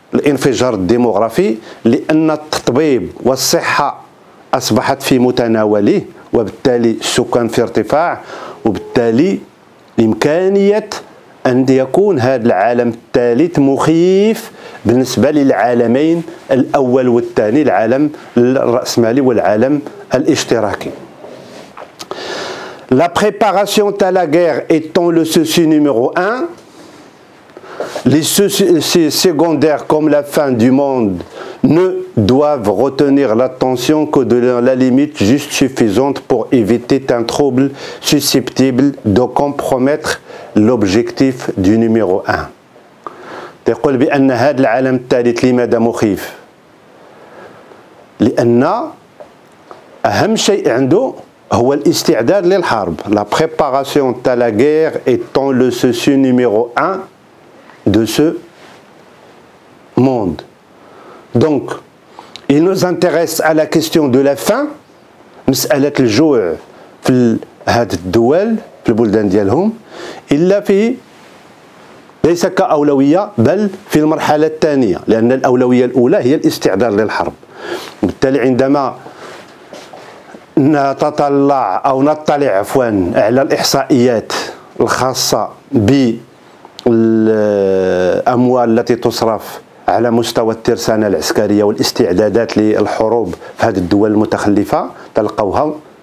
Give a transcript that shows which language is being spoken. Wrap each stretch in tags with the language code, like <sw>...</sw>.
<ar>الانفجار الديموغرافي لأن التطبيب والصحة أصبحت في متناوله وبالتالي السكان في ارتفاع وبالتالي إمكانية أن يكون هذا العالم الثالث مخيف بالنسبة للعالمين الأول والثاني العالم الرأسمالي والعالم الاشتراكي.</ar> <fr>La préparation à la guerre étant le souci numéro un, les soucis secondaires comme la fin du monde ne doivent retenir l'attention que dans la limite juste suffisante pour éviter un trouble susceptible de compromettre l'objectif du numéro un.</fr> <ar>تقول بأن هذا العالم الثالث لماذا مخيف؟ لأن أهم شيء عنده هو الاستعداد للحرب.</ar> <fr>La préparation à la guerre étant le souci numéro un de ce monde. Donc, il nous intéresse à la question de la faim.</fr> <ar>مسألة الجوع في هذه الدول في البلدان ديالهم إلا في ليس كأولوية بل في المرحلة الثانية لأن الأولوية الأولى هي الاستعداد للحرب. بالتالي عندما نتطلع أو نطلع عفوا على الإحصائيات الخاصة بالأموال التي تصرف على مستوى الترسانة العسكرية والاستعدادات للحروب في هذه الدول المتخلفة تلقوها</ar>